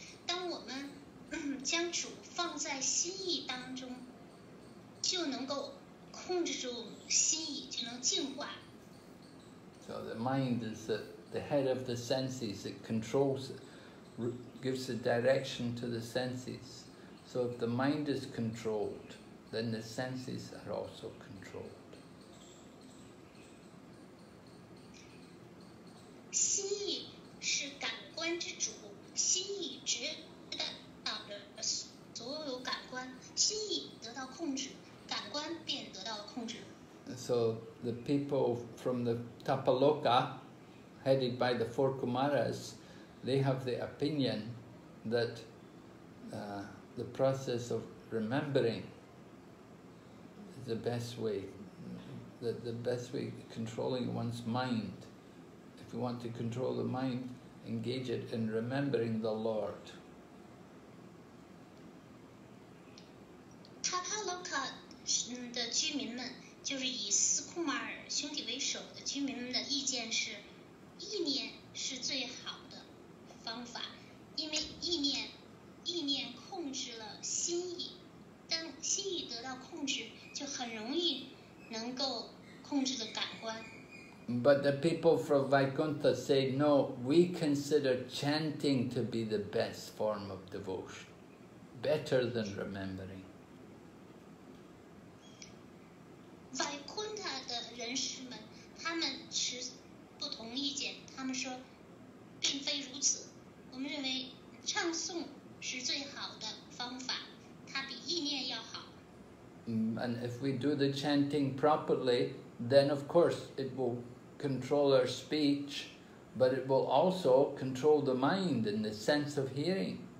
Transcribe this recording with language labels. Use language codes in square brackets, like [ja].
[en] So the mind is the head of the senses, it controls, gives the direction to the senses. So if the mind is controlled, then the senses are also controlled. [zh] 心意是感官之主，心意指导着所有感官，心意得到控制，感官便得到控制。 [en] So the people from the Tapaloka, headed by the four Kumaras, they have the opinion that. The process of remembering is the best way, the best way controlling one's mind. If you want to control the mind, engage it in remembering the Lord. [zh] Tapaloka 的居民们，就是以斯库马尔兄弟为首的居民们的意见是，意念是最好的方法，因为意念控制了心意，当心意得到控制，就很容易能够控制的感官。 [en] But the people from Vaikuntha say no. We consider chanting to be the best form of devotion, better than remembering. [zh] Vaikuntha 的人士们，他们持不同意见。他们说，并非如此。我们认为唱送是最好的方法，它比意念要好。 [en] And if we do the chanting properly, then of course it will control our speech, but it will also control the mind and the sense of hearing.